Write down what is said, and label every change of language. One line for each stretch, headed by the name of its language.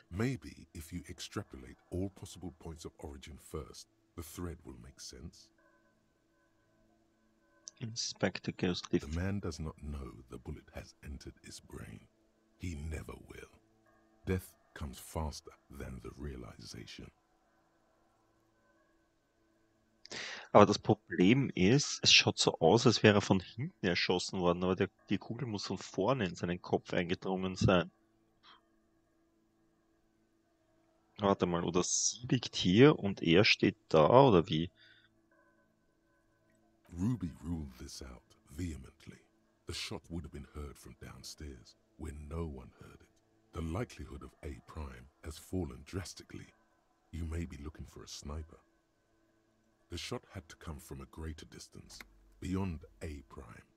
English: Maybe if you extrapolate all possible points of origin first, The thread will make sense. Inspector goes lift. The man does not know the bullet has entered his brain. He never will. Death comes faster than the realization.
German: Aber das Problem ist, es schaut so aus, als wäre er von hinten erschossen worden, aber die Kugel muss von vorne in seinen Kopf eingedrungen sein. Warte mal, oder sie liegt hier und er steht da, oder wie?
English: Ruby ruled this out vehemently. The shot would have been heard from downstairs, where no one heard it. The likelihood of A prime has fallen drastically. You may be looking for a sniper. The shot had to come from a greater distance, beyond A prime.